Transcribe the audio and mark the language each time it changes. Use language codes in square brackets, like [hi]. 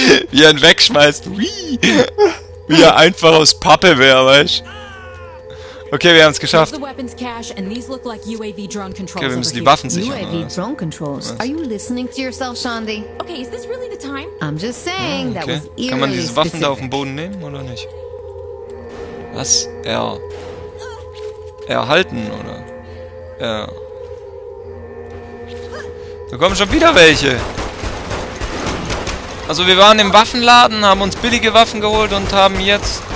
[de] Wie er ihn wegschmeißt. Wie er einfach aus Pappe wäre, weißt du? Okay, wir haben es geschafft. Okay, wir müssen die Waffen sichern. [en] Are you listening to yourself, Shandi? Okay, is this really the time? I'm just saying that was eerie. [de] Kann man diese Waffen da auf den Boden nehmen oder nicht? Was? R. Erhalten oder? Ja. Da kommen schon wieder welche. Also wir waren im Waffenladen, haben uns billige Waffen geholt und haben jetzt.